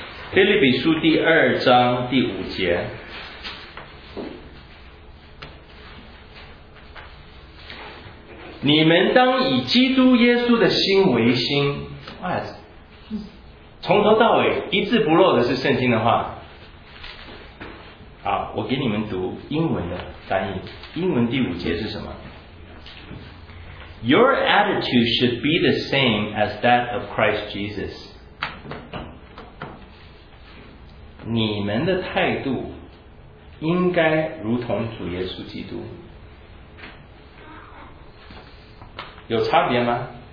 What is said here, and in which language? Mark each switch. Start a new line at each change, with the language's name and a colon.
Chinese: 腓立比书第二章第五节，你们当以基督耶稣的心为心。哇，从头到尾一字不漏的是圣经的话。好，我给你们读英文的翻译。英文第五节是什么？
English: Your attitude should be the same as that of Christ Jesus.
Chinese: 你们的态度应该如同主耶稣基督，有差别吗？